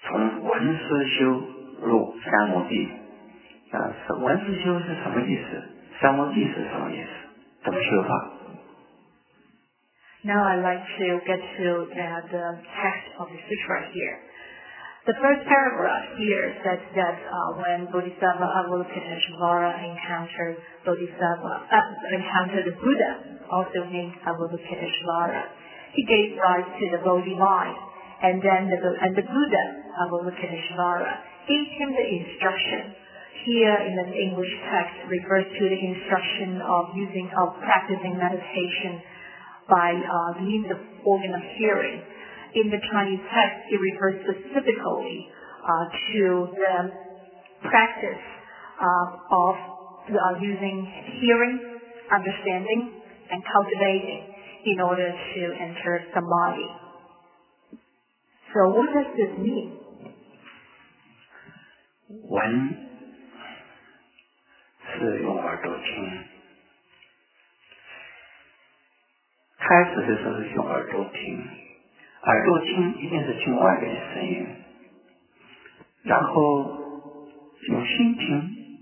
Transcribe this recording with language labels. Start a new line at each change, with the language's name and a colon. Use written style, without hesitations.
Chinese: 从文思修入三摩地, 文思修是什么意思? 三摩地是什么意思?怎么修法?
English: Now I'd like to get to the text of the sutra here. The first paragraph here says that when Bodhisattva Avalokiteshvara encountered the Buddha, also named Avalokiteshvara, he gave rise to the Bodhi mind, and then the Buddha, Avalokiteshvara, gave him the instruction. Here in the English text refers to the instruction of practicing meditation by means of organ of hearing. In the Chinese text, it refers specifically to the practice of using hearing, understanding, and cultivating in order to enter samadhi. So what does this mean?
Chinese: When 是用耳朵听 开始的时候是用耳朵听，耳朵听一定是听外面的声音，然后用心听，